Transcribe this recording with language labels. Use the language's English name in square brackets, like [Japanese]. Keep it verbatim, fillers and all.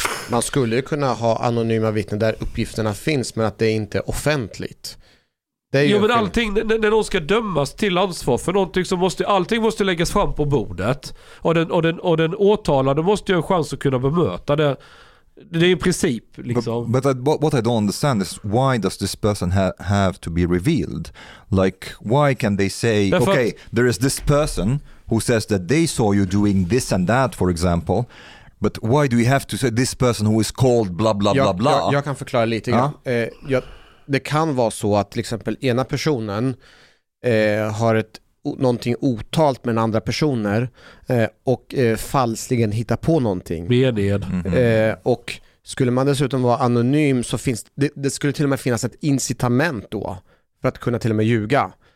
[Swedish] Man skulle ju kunna ha anonyma vittnen där uppgifterna finns men att det inte är offentligt. Det är ju jo, men allting, när, när någon ska dömas till ansvar för någonting så måste allting måste läggas fram på bordet och den, och den, och den åtalade måste ju ha en chans att kunna bemöta det. Det är i princip liksom. [English] But, but I, what I don't understand is why does this person ha, have to be revealed? Like why can they say [Swedish] därför okay, att... [English] there is this person who says that they saw you doing this and that for example. But why do we have to say this person who is called bla bla bla bla? [Swedish] Jag, jag, jag kan förklara lite grann. Ah? Eh, jag, det kan vara så att till exempel ena personen eh, har ett någonting otalt med andra personer eh, och eh, falsligen hitta på någonting. Meded. Mm-hmm. Eh, och skulle man dessutom vara anonym så finns det, det skulle till och med finnas ett incitament då för att kunna till och med ljuga.